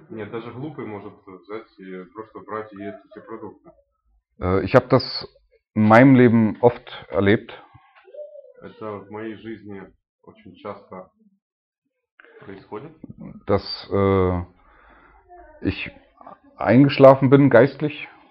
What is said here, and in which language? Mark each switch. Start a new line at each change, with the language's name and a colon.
Russian: Даже глупый может взять и просто брать и есть эти продукты.
German: Ich habe das in meinem Leben oft erlebt.
Russian: Это в моей жизни очень часто.
German: Dass ich eingeschlafen bin geistlich.